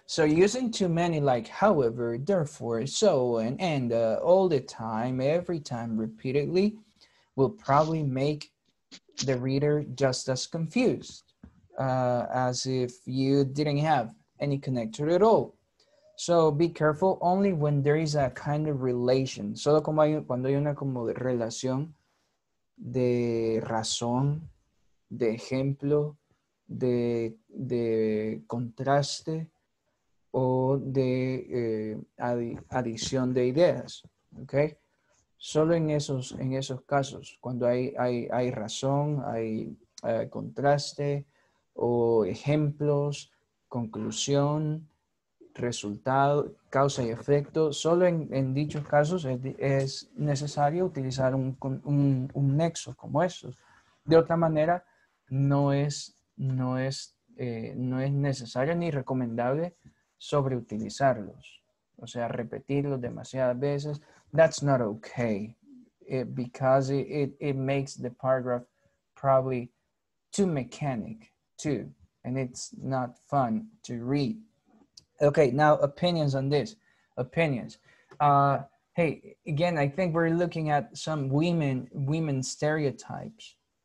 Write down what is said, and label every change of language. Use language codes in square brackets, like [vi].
[en] So using too many, like however, therefore, so, and all the time, every time, repeatedly, will probably make the reader just as confused as if you didn't have any connector at all. So be careful only when there is a kind of relation. [es] Solo como hay, cuando hay una como relación de razón, de ejemplo, de contraste o de adición de ideas, okay? Solo en esos casos, cuando hay razón, hay contraste o ejemplos, conclusión, resultado, causa y efecto, solo en dichos casos es necesario utilizar un nexo como estos. De otra manera, no es necesario ni recomendable sobreutilizarlos. O sea, repetirlos demasiadas veces. [en] That's not okay, because it makes the paragraph probably too mechanic too, and it's not fun to read. Okay, now opinions on this. Opinions. Hey, again, I think we're looking at some women stereotypes.